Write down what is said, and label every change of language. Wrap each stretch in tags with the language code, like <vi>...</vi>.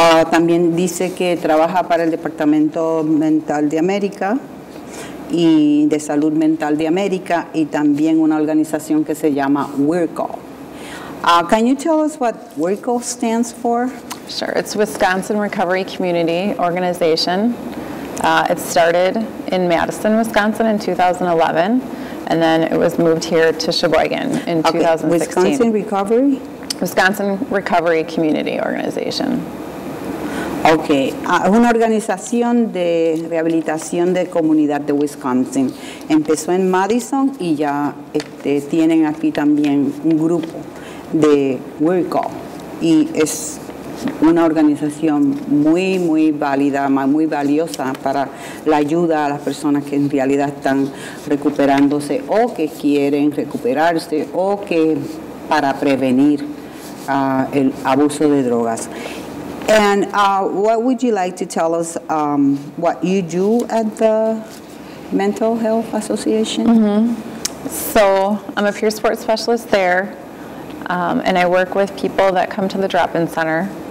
<es>También dice que trabaja para el Departamento Mental de América y de Salud Mental de América y también una organización que se llama WIRCO.</es> <en>Can you tell us what WIRCO stands for? Sure, it's Wisconsin Recovery Community Organization. It started in Madison, Wisconsin in 2011 and then it was moved here to Sheboygan in 2016. Wisconsin Recovery? Wisconsin Recovery Community Organization.</en> <es>Okay, es una organización de rehabilitación de comunidad de Wisconsin. Empezó en Madison y ya tienen aquí también un grupo de WIRCO. Y es una organización muy, muy válida, muy valiosa para la ayuda a las personas que en realidad están recuperándose o que quieren recuperarse o que para prevenir el abuso de drogas.</es> <en>And what would you like to tell us what you do at the Mental Health Association? Mm-hmm. So I'm a peer support specialist there, and I work with people that come to the drop-in center.</en>